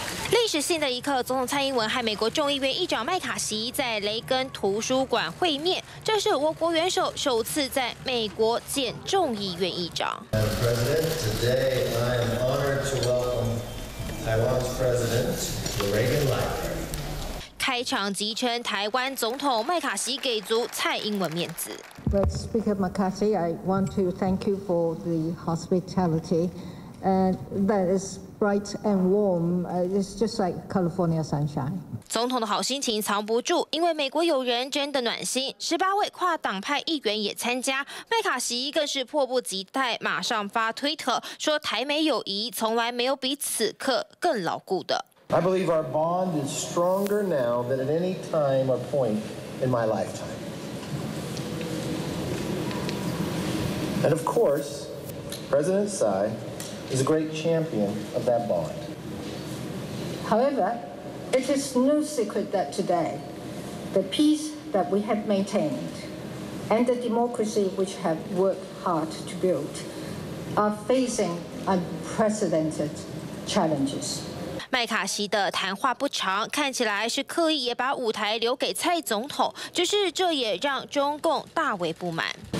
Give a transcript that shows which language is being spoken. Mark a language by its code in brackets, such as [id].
[zh] 历史性的一刻，总统蔡英文和美国众议院议长麦卡锡在雷根图书馆会面，这是我国元首首次在美国见众议院议长。 [en] Madam President, today I am honored to welcome Taiwan's President to the Reagan Library. [zh] 开场即称台湾总统麦卡锡给足蔡英文面子。 [en] Well, Speaker McCarthy, I want to thank you for the hospitality, and that is bright and warm. It's just like California sunshine. [zh] 总统的好心情藏不住，因为美国友人真的暖心，十八位跨党派议员也参加，麦卡锡更是迫不及待马上发推特说，台美友谊从来没有比此刻更牢固的。 [en] I believe our bond is stronger now than at any time or point in my lifetime. And of course, President Tsai is a great champion of that bond. However, it is no secret that today, the peace that we have maintained and the democracy which have worked hard to build are facing unprecedented challenges. [zh] 麦卡锡的谈话不长，看起来是刻意也把舞台留给蔡总统，只是这也让中共大为不满。